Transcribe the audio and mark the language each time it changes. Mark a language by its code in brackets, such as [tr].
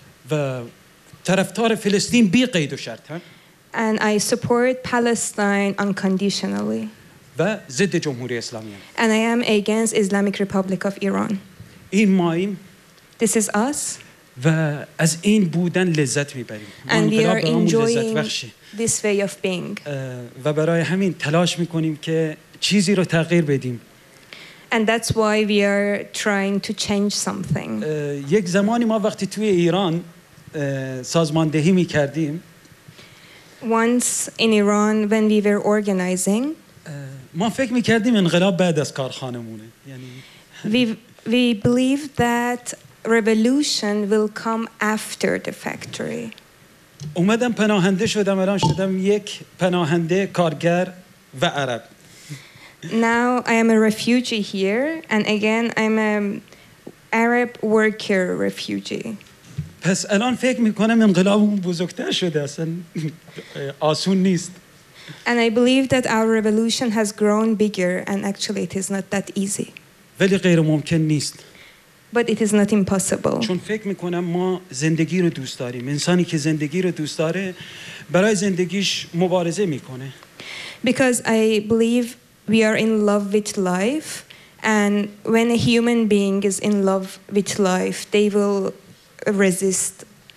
[fa] و طرفدار فلسطین بی قید و شرط. [en] And I support Palestine unconditionally. [fa] و ضد جمهوری اسلامی. [en] And I am against Islamic Republic of Iran. [fa] این مایم. [en] This is us. [fa] و از این بودن لذت میبریم. [en] And we are enjoying this way of being. [fa] و برای همین تلاش میکنیم که چیزی رو تغییر بدیم. [en] And that's why we are trying to change something. [fa] یک زمانی ما وقتی توی ایران سازماندهی میکردیم. [en] Once in Iran when we were organizing. [fa] ما فکر میکردیم انقلاب بعد از کارخانه مونه. [en] We believe that revolution will come after the factory. [fa] اومدم پناهنده شدم الان شدم یک پناهنده کارگر و عرب. [en] Now I am a refugee here and again I'm an Arab worker refugee. [fa] پس الان فکر میکنم انقلابمون بزرگتر شده اصلا آسون نیست. [en] And I believe that our revolution has grown bigger and actually it is not that easy. [fa] ولی غیر ممکن نیست. [en] But it is not impossible. [fa] چون فکر میکنم ما زندگی رو دوست داریم. انسانی که زندگی رو دوست داره برای زندگیش مبارزه میکنه. [en] Because I believe we are in love with life, and when a human being is in love with life, they will resist